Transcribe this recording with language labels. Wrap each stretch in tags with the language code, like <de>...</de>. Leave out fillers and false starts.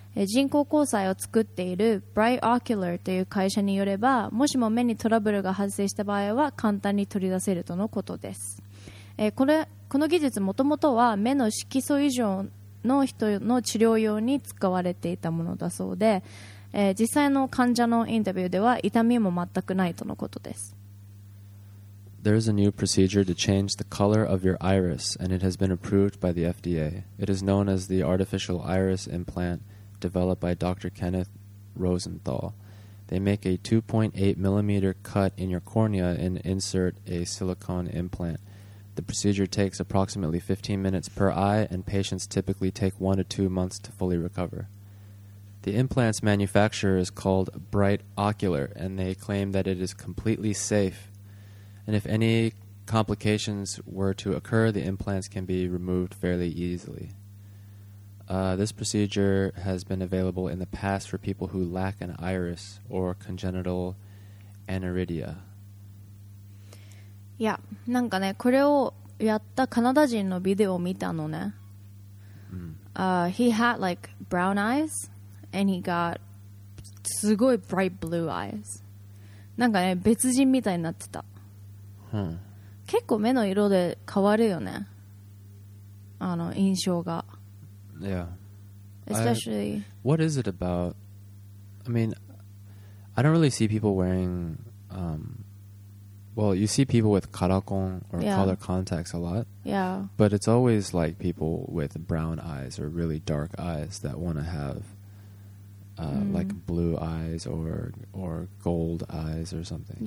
<ja>人工交際を作っている Bright Ocular という会社によれば、もしも目にトラブルが発生した場合は簡単に取り出せるとのことです。この技術、もともとは目の色素異常の人の治療用に使われていたものだそうで、実際の患者のインタビューでは痛みも全くないとのことです。</ja> <en>There is a new procedure to change the color of your iris, and it has been approved by the FDA. It is known as the artificial iris implant developed by Dr. Kenneth Rosenthal. They make a 2.8 millimeter cut in your cornea and insert a silicone implant. The procedure takes approximately 15 minutes per eye, and patients typically take 1 to 2 months to fully recover. The implant's manufacturer is called Bright Ocular, and they claim that it is completely safe. And if any complications were to occur, the implants can be removed fairly easily. This procedure has been available in the past for people who lack an iris or congenital aniridia.</en> <ja>Yeah, なんかね、これをやったカナダ人のビデオを見たのね。</ja> <en>He had like brown eyes, and he got</en> <ja>すごい</ja> <en>bright blue eyes.</en> <ja>なんかね、別人みたいになってた。結構目の色で変わるよね、印象が。</ja> <en>Yeah. Especially what is it about? I mean, I don't really see people wearing well, you see people with karakon or color contacts a lot. Yeah. But it's always like people with brown eyes or really dark eyes that want to have like blue eyes or gold eyes or something.</en>